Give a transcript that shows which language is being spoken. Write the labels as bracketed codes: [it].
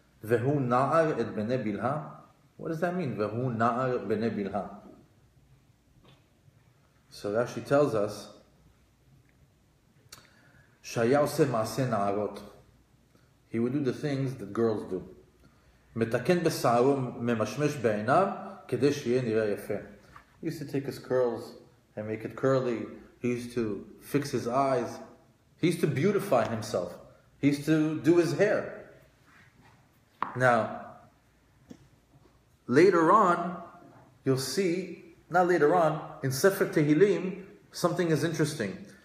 [he] והוא נער את בני בלהה. [en] What does that mean? [he] והוא נער בני בלהה. [en] So Rashi tells us [he] שהיה עושה מעשה נערות. [en] He would do the things that girls do. [he] מתקן בשערו ממשמש בעיניו כדי שיהיה נראה יפה. [en] He used to take his curls and make it curly. He used to fix his eyes. He used to beautify himself. He used to do his hair. Now, later on, you'll see, not later on, in Sefer Tehillim, something is interesting.